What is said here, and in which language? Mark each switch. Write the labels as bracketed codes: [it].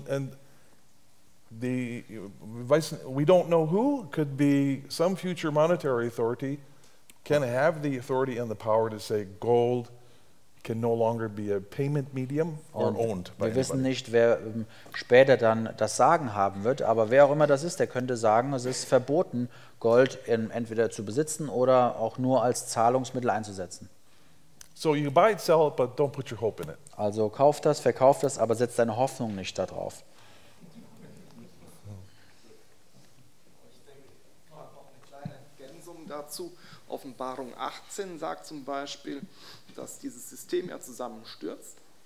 [en] and the vice, we don't know who, could be some future monetary authority, can have the authority and the power to say gold can no longer be a payment medium or owned by anybody. [de] Wir wissen nicht, wer später dann das Sagen haben wird, aber wer auch immer das ist, der könnte sagen, es ist verboten, Gold entweder zu besitzen oder auch nur als Zahlungsmittel einzusetzen. [en] So you buy it, sell it, but don't put your hope in it. [de] Also kauf das, verkauf das, aber setz deine Hoffnung nicht darauf. Ich denke, noch eine kleine Ergänzung dazu. Offenbarung 18 sagt zum Beispiel, dass dieses System ja zusammenstürzt.